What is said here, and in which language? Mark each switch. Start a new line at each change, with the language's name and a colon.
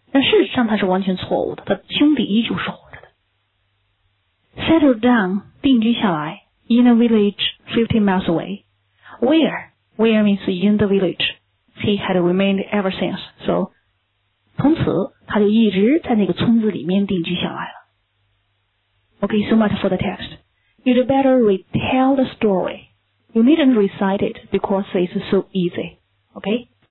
Chinese: 但事实上他是完全错误的，他兄弟依旧是活着的。
English: Settled down
Chinese: 定居下来
English: in a village 50 miles away, where means in the village. He had remained ever since.
Chinese: So, 从此他就一直在那个村子里面定居下来了。
English: Okay, so much for the text. You'd better retell the story. You needn't recite it because it's so easy. Okay?